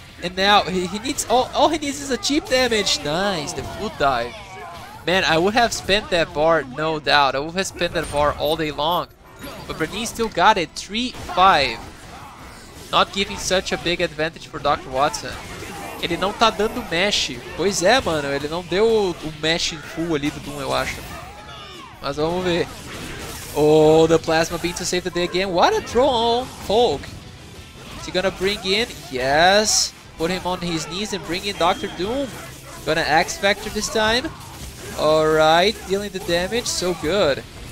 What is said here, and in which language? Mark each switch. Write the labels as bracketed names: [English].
[English] And now, he needs is a cheap damage. Nice, the food dive. Man, I would have spent that bar, no doubt. I would have spent that bar all day long. But Brenin still got it. 3-5. Not giving such a big advantage for Dr. [Portuguese] Watson. Ele não tá dando mesh. Pois é, mano. Ele não deu o mesh em full ali do Doom, eu acho. Mas vamos ver. [English] Oh, the plasma beam to save the day again. What a throw on Hulk. Is he gonna bring in? Yes. Put him on his knees and bring in Dr. Doom. Gonna X-Factor this time. Alright. Dealing the damage. So good.